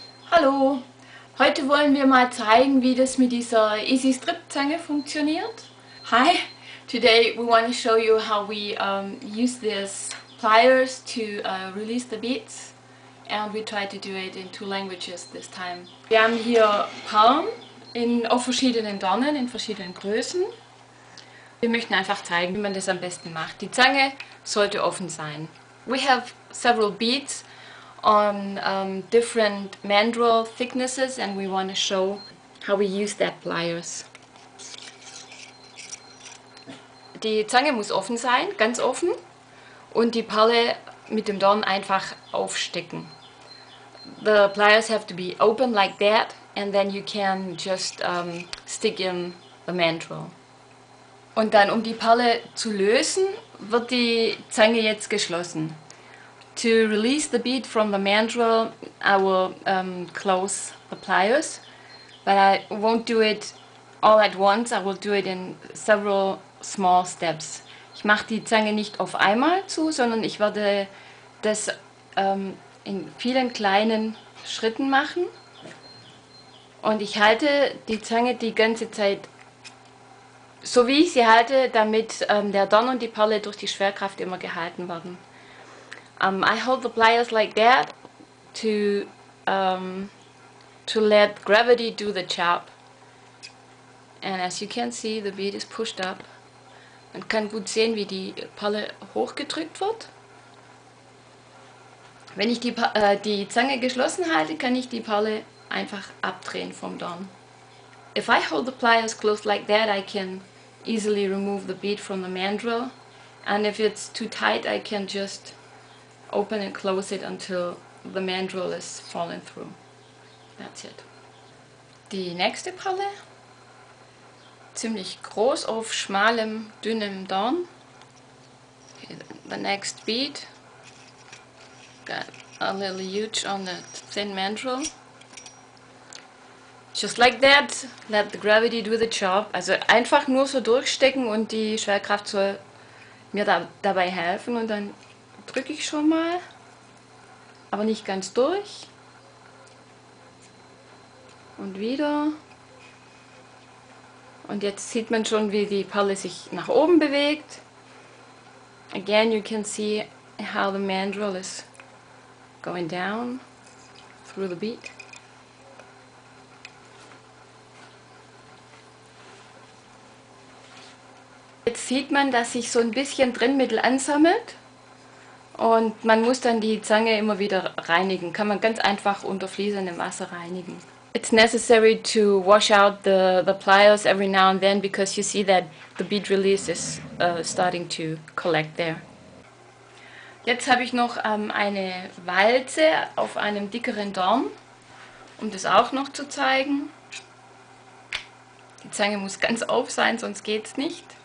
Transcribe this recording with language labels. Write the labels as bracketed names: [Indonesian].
[German] Hallo, heute wollen wir mal zeigen, wie das mit dieser Easy Strip Zange funktioniert. [English] Hi, today we want to show you how we use this pliers to release the beads, and we try to do it in two languages this time. [German] Wir haben hier Palm in auf verschiedenen Dornen, in verschiedenen Größen. Wir möchten einfach zeigen, wie man das am besten macht. Die Zange sollte offen sein. [English] We have several beads on different mandrel thicknesses, and we want to show how we use that pliers. [German] Die Zange muss offen sein, ganz offen, und die Palle mit dem Dorn einfach aufstecken. [English] The pliers have to be open like that, and then you can just stick in the mandrel. [German] Und dann, um die Palle zu lösen, wird die Zange jetzt geschlossen. [English] To release the bead from the mandrel, I will close the pliers, but I won't do it all at once, I will do it in several small steps. [German] Ich mache die Zange nicht auf einmal zu, sondern ich werde das in vielen kleinen Schritten machen. Und ich halte die Zange die ganze Zeit so, wie ich sie halte, damit der Dorn und die Perle durch die Schwerkraft immer gehalten werden. [English] I hold the pliers like that to let gravity do the job. And as you can see, the bead is pushed up. [German] Man kann gut sehen, wie die Perle hochgedrückt wird. Wenn ich die Zange geschlossen halte, kann ich die Perle einfach abdrehen vom Dorn. [English] If I hold the pliers closed like that, I can easily remove the bead from the mandrel. And if it's too tight, I can just open and close it until the mandrel is fallen through. That's it. [German] Die nächste Palle. Ziemlich groß auf schmalem, dünnem Dorn. [English] Okay, the next bead. Got a little huge on the thin mandrel. Just like that, let the gravity do the job. [German] Also einfach nur so durchstecken und die Schwerkraft soll mir dabei helfen, und dann drücke ich schon mal, aber nicht ganz durch. Und wieder. Und jetzt sieht man schon, wie die Perle sich nach oben bewegt. [English] Again, you can see how the mandrel is going down through the bead. [German] Jetzt sieht man, dass sich so ein bisschen Trennmittel ansammelt. Und man muss dann die Zange immer wieder reinigen. Kann man ganz einfach unter fließendem Wasser reinigen. [English] It's necessary to wash out the pliers every now and then, because you see that the bead release is starting to collect there. [German] Jetzt habe ich noch eine Walze auf einem dickeren Dorn, um das auch noch zu zeigen. Die Zange muss ganz auf sein, sonst geht's nicht.